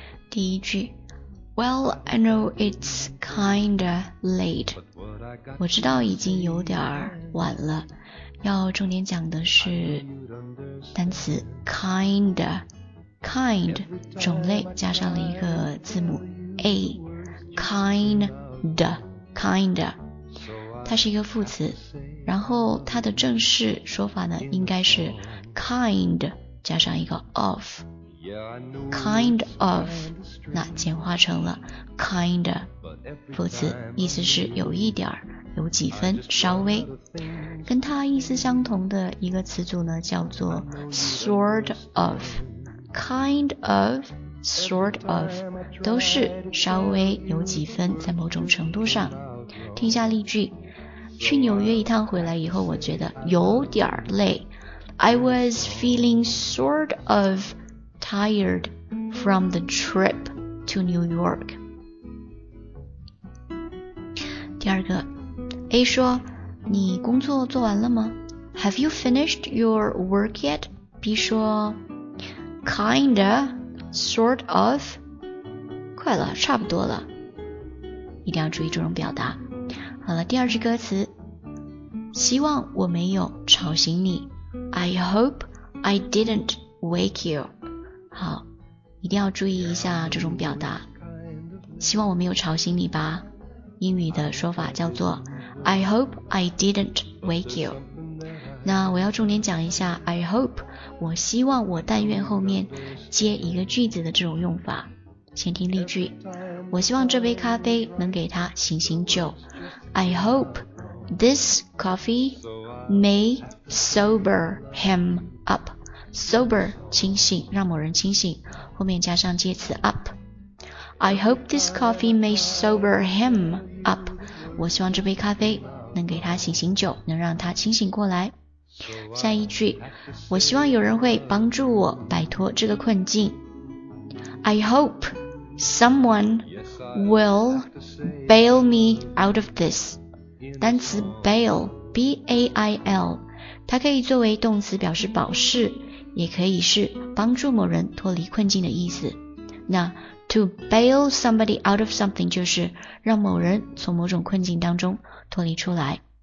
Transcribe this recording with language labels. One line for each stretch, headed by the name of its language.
Chinese: 第一句，
English: Well, I know it's kinda late.
Chinese: 我知道已经有点晚了。要重点讲的是单词 kinda， kind 种类加上了一个字母 a， kinda， kinda。它是一个副词，然后它的正式说法呢应该是 kind 加上一个 of， kind of， 那简化成了 kind 副词，意思是有一点，有几分，稍微。跟它意思相同的一个词组呢叫做 sort of， kind of， sort of， 都是稍微有几分，在某种程度上。听下例句，去纽约一趟回来以后，我觉得有点累。
English: I was feeling sort of tired from the trip to New York.
Chinese: 第二个， A 说，你工作做完了吗？
English: Have you finished your work yet?
Chinese: B 说，
English: Kinda, sort of.
Chinese: 快了，差不多了。一定要注意这种表达。好了，第二句歌词，希望我没有吵醒你。
English: I hope I didn't wake you.
Chinese: 好，一定要注意一下这种表达。希望我没有吵醒你吧。英语的说法叫做
English: I hope I didn't wake you.
Chinese: 那我要重点讲一下 I hope， 我希望我但愿后面接一个句子的这种用法。先听例句，我希望这杯咖啡能给他醒醒酒。
English: I hope this coffee may sober him up.
Chinese: Sober, 清醒，让某人清醒，后面加上介词 up.
English: I hope this coffee may sober him up.
Chinese: 我希望这杯咖啡能给他醒醒酒，能让他清醒过来。下一句，我希望有人会帮助我摆脱这个困境。
English: I hope someone will bail me out of this.
Chinese: 单词 bail， B-A-I-L， 它可以作为动词表示保释，也可以是帮助某人脱离困境的意思。那
English: to bail somebody out of something
Chinese: 就是让某人从某种困境当中脱离出来。